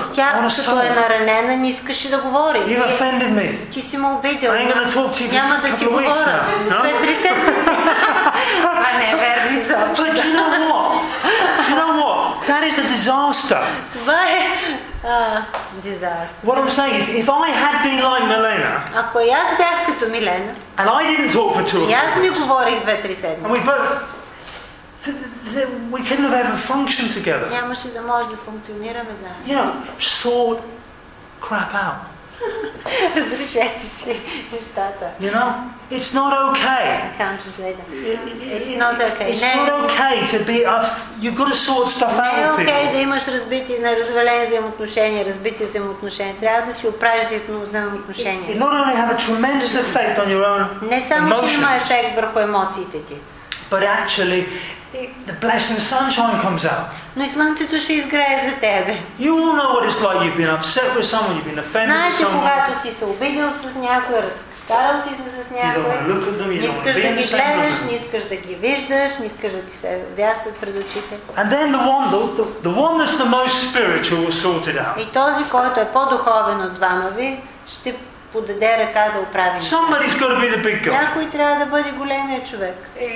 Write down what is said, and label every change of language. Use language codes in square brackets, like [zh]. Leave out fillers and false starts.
[bg] Тя, като е наранена, не искаше да говори. Ти си ме обидил. Няма да ти говоря. Две-три седмици. Това не е верно изобщо. [en] You know what? That is a disaster. [bg] Това е disaster. [en] What I'm saying is, if I had been like Milena, [bg] ако аз бях като Милена, [en] and I didn't talk for two, [bg] и аз не говорих две-три седмици, [en] and we both, we couldn't have ever functioned together. [bg] Нямаше да може да функционираме заедно. [en] You know, sort crap out. [bg] Разрешете си нещата. [en] You know, it's not okay. I can't translate that. It's not okay. It's not okay to be you've got to sort stuff out. [bg] Не е окей да имаш разбити на развалени взаимоотношения, разбити взаимоотношения. Трябва да си оправиш взаимоотношения. It not only have a tremendous effect on your own. Не само ще има ефект върху емоциите ти. But actually the blessing of sunshine comes out. Но и слънцето ще изгрее за тебе. You all know what it's like. You've been upset with someone. You've been offended with someone. Знаеш ли, когато си се обидил с някой, разкарал си се с някой, не искаш да ги гледаш, не искаш да ги виждаш, не искаш да ти се вясват пред очите. And then the one that's the most spiritual will sort it out. И този, който е по-духовен от двама ви, ще подаде ръка да оправи нещата. Някой трябва да бъде големия човек.